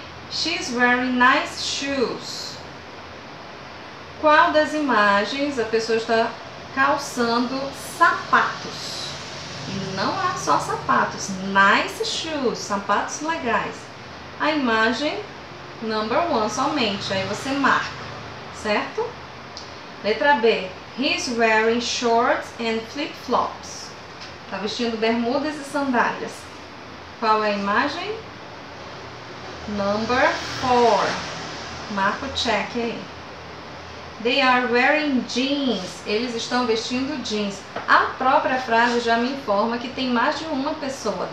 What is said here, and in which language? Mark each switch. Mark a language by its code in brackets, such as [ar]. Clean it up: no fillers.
[en] She's wearing nice shoes. [pt] Qual das imagens a pessoa está calçando sapatos? E não é só sapatos. [en] Nice shoes. [pt] Sapatos legais. A imagem [en] number one [pt] somente. Aí você marca. Certo? Letra B. [en] He's wearing shorts and flip-flops. [pt] Está vestindo bermudas e sandálias. Qual é a imagem? Number 4. Marco check aí. [en] They are wearing jeans. [pt] Eles estão vestindo jeans. A própria frase já me informa que tem mais de uma pessoa.